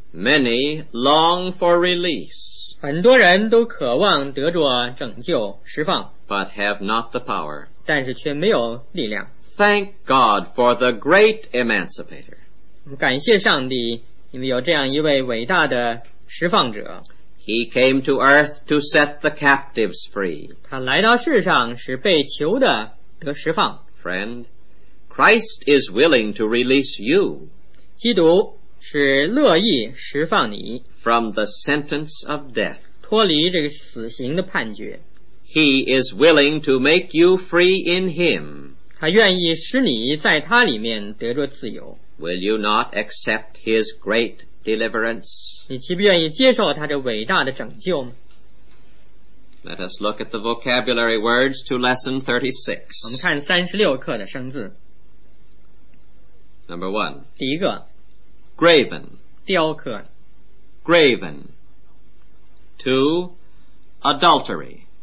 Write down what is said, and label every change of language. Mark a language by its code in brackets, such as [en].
[en] Many long for release. [zh] 很多人都渴望得着拯救释放 [en] But have not the power [zh] 但是却没有力量 [en] Thank God for the great emancipator [zh] 感谢上帝因为有这样一位伟大的释放者 [en] He came to earth to set the captives free [zh] 他来到世上使被囚的得释放 [en] Friend, Christ is willing to release you. [zh] 基督是乐意释放你。 [en] From the sentence of death. [zh] 脱离这个死刑的判决。 [en] He is willing to make you free in him. [zh] 他愿意使你在他里面得着自由。 [en] Will you not accept his great deliverance? [zh] 你岂不愿意接受他这伟大的拯救吗？ [en] Let us look at the vocabulary words to lesson 36. [zh] 我们看36课的生字。 [en] Number one. [zh] 第一个。 [en] Graven. [zh] 雕刻。 [en] Graven. Two. Adultery.